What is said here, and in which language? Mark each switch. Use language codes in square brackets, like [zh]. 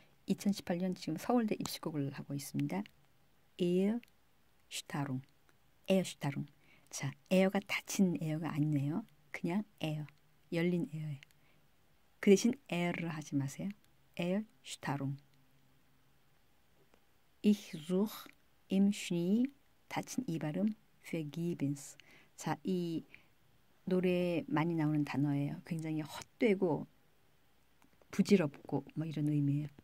[ko] 2018년 지금 서울대 입시곡을 하고 있습니다. 에어슈타룽. 에어슈타룽. 자, 에어가 닫힌 에어가 아니네요. 그냥 에어. 열린 에어예요. 그 대신 에어를 하지 마세요. 에어슈타룽. [de] Ich such im Schnee [ko] 닫힌 이 발음 [de] vergebens. [ko] 자, 이 노래에 많이 나오는 단어예요. 굉장히 헛되고 부질없고 뭐 이런 의미예요.